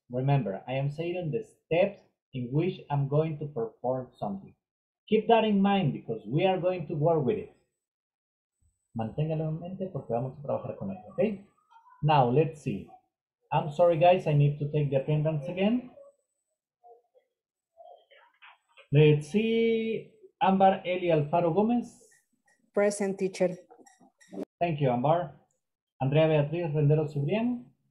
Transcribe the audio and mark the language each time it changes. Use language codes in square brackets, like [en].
[en] Remember, I am stating the steps in which I'm going to perform something. Keep that in mind because we are going to work with it. [es] Manténgalo en mente porque vamos a trabajar con él, okay? [en] Now, let's see. I'm sorry, guys, I need to take the attendance again. Let's see. Ambar Eli Alfaro Gómez. Present, teacher. Thank you, Ambar. Andrea Beatriz Rendero Cibrián.